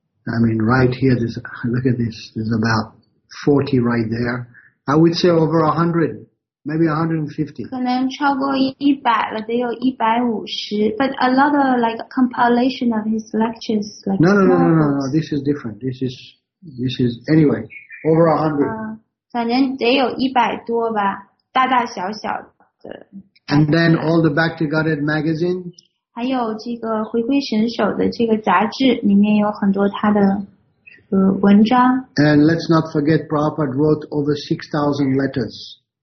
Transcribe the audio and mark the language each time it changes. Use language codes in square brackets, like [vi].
[en] I mean, right here, this, look at this, there's about 40 right there. I would say over 100. Maybe 150. [zh] 可能超过100了，得有150。 [en] But a lot of like compilation of his lectures, like No. This is different. This is anyway over 100. [zh] 反正得有100多吧，大大小小的。 [en] And then all the Bhakti Gaudiya magazine. [zh] 还有这个回归神手的这个杂志，里面有很多他的。文章。 [en] And let's not forget, Prabhupada wrote over 6,000 letters.